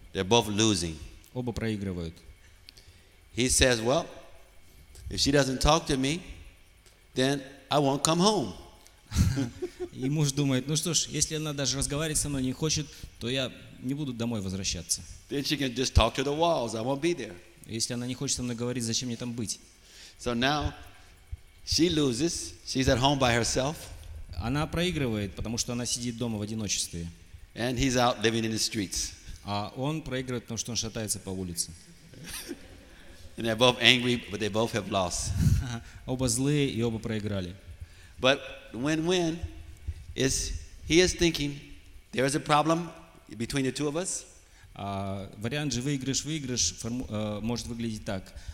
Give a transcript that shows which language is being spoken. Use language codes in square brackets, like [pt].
[en] They're both losing. [ru] Оба проигрывают. [en] He says, well, if she doesn't talk to me, then I won't come home. [ru] И муж думает, ну что ж, если она даже разговаривать со мной не хочет, то я не буду домой возвращаться. [en] Then she can just talk to the walls, I won't be there. [ru] Если она не хочет со мной говорить, зачем мне там быть? [en] So now she loses, she's at home by herself. [ru] Она проигрывает, потому что она сидит дома в одиночестве. [en] And he's out living in the streets. [ru] А он проигрывает, потому что он шатается по улице. [en] And they're both angry, but they both have lost. [ru] Оба злые и оба проиграли. [en] But win-win is he is thinking there is a problem between the two of us. [ru] Вариант же выигрыш-выигрыш может выглядеть так.